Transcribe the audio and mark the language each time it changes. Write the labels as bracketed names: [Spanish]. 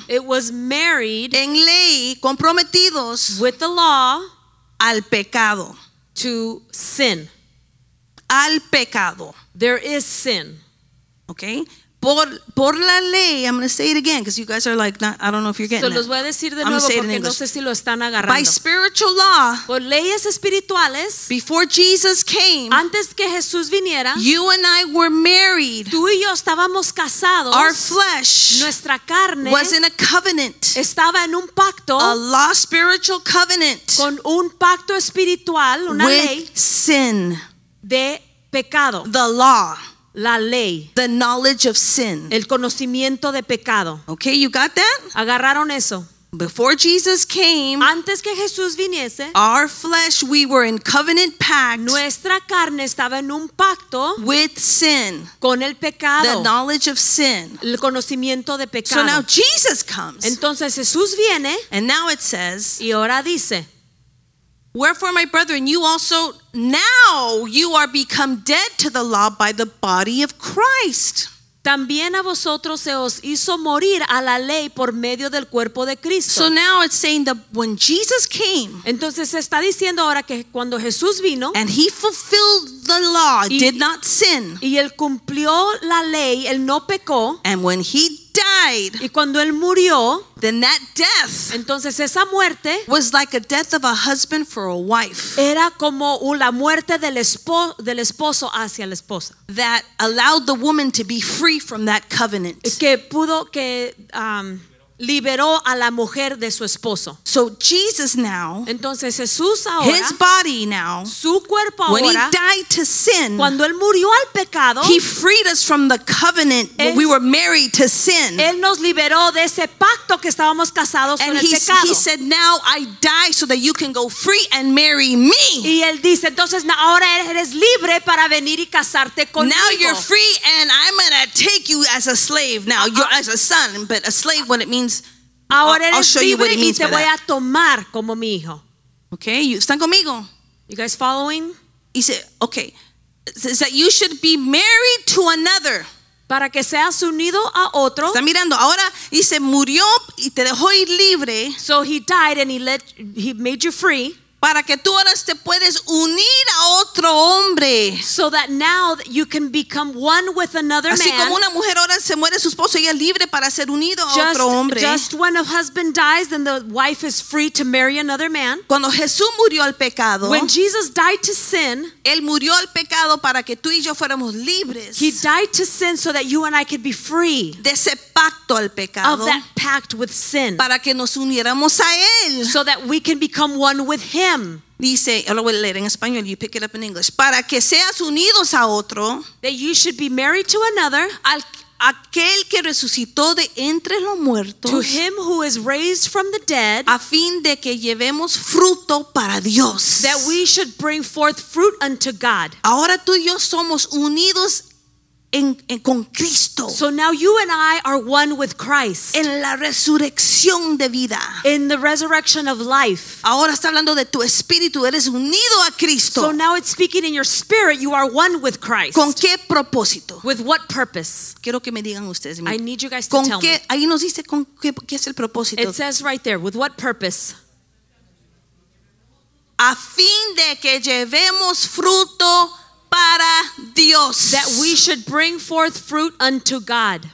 [English] it was married, [Spanish] en ley, comprometidos, [English] with the law, [Spanish] al pecado, [English] to sin, [Spanish] al pecado, [English] there is sin, [Spanish] okay. por la ley. [English] I'm going to say it again because you guys are like, not, I don't know if you're getting [Spanish] it. Se los voy a decir de nuevo porque no sé si lo están agarrando. [English] By spiritual law, [Spanish] por leyes espirituales, [English] before Jesus came, [Spanish] antes que Jesús viniera, [English] you and I were married. [Spanish] Tú y yo estábamos casados. [English] Our flesh, [Spanish] nuestra carne, [English] was in a covenant. [Spanish] Estaba en un pacto, [English] a law spiritual covenant, [Spanish] con un pacto espiritual, una [English] with [Spanish] ley, [English] sin, [Spanish] de pecado. [English] The law. [Spanish] La ley. [English] The knowledge of sin. [Spanish] El conocimiento de pecado. [English] Okay, you got that? [Spanish] Agarraron eso. [English] Before Jesus came, [Spanish] antes que Jesús viniese, [English] our flesh, we were in covenant pact. [Spanish] Nuestra carne estaba en un pacto [English] with sin. [Spanish] Con el pecado. [English] The knowledge of sin. [Spanish] El conocimiento de pecado. [English] So now Jesus comes. [Spanish] Entonces Jesús viene. [English] And now it says, [Spanish] y ahora dice, [English] wherefore, my brethren, you also now you are become dead to the law by the body of Christ. [Spanish] También a vosotros se os hizo morir a la ley por medio del cuerpo de Cristo. [English] So now it's saying that when Jesus came, [Spanish] entonces está diciendo ahora que cuando Jesús vino, [English] and he fulfilled the law, y, did not sin, [Spanish] y él cumplió la ley, él no pecó, [English] and when he died, [Spanish] y cuando él murió, [English] then that death, [Spanish] entonces esa muerte, [English] was like a death of a husband for a wife, [Spanish] era como la muerte del esposo hacia la esposa, [English] that allowed the woman to be free from that covenant, [Spanish] que pudo que liberó a la mujer de su esposo. [English] So Jesus now, [Spanish] entonces Jesús ahora, [English] his body now, [Spanish] su cuerpo ahora, [English] when he died to sin, [Spanish] cuando él murió al pecado, [English] he freed us from the covenant es, we were married to sin. [Spanish] Él nos liberó de ese pacto que estábamos casados [English] and he, [Spanish] el pecado. [English] And he said, now I die so that you can go free and marry me. [Spanish] Y él dice, entonces ahora eres libre para venir y casarte conmigo. [English] Now you're free and I'm gonna take you as a slave. Now you're as a son, but a slave when it means [Spanish] ahora eres [English] I'll show [Spanish] libre [English] you what he means [Spanish] y te voy [English] that. [Spanish] A tomar como mi hijo. Okay, you, están conmigo. [English] You guys following? He said, okay, is that you should be married to another. [Spanish] Para que seas unido a otro. Está mirando, ahora dice, murió y te dejó ir libre. [English] So he died and he made you free. [Spanish] Para que tú ahora te puedes unir a otro hombre. [English] So that now you can become one with another [Spanish] así [English] man. [Spanish] Así como una mujer ahora se muere su esposo, ella es libre para ser unido [English] just, [Spanish] a otro hombre. [English] Just when a husband dies, then the wife is free to marry another man. [Spanish] Cuando Jesús murió al pecado, [English] when Jesus died to sin, [Spanish] él murió al pecado para que tú y yo fuéramos libres. [English] He died to sin so that you and I could be free. [Spanish] De ese pacto al pecado. [English] Of that pact with sin. [Spanish] Para que nos uniéramos a él. [English] So that we can become one with him. [Spanish] Dice, lo voy a leer en español, [English] you pick it up in English. [Spanish] Para que seas unidos a otro, [English] that you should be married to another, [Spanish] al aquel que resucitó de entre los muertos, [English] to him who is raised from the dead, [Spanish] a fin de que llevemos fruto para Dios, [English] that we should bring forth fruit unto God. [Spanish] Ahora tú y yo somos unidos en con Cristo. [English] So now you and I are one with Christ. [Spanish] En la resurrección de vida. [English] In the resurrection of life. [Spanish] Ahora está hablando de tu espíritu, eres unido a Cristo. [English] So now it's speaking in your spirit, you are one with Christ. [Spanish] ¿Con qué propósito? [English] With what purpose? [Spanish] Quiero que me digan ustedes. [English] I need you guys to [Spanish] ¿con [English] tell [Spanish] qué, [English] me. [Spanish] Ahí nos dice con qué, qué es el propósito. [English] It says right there, with what purpose? [Spanish] A fin de que llevemos fruto para Dios. [English] That we should bring forth fruit unto God.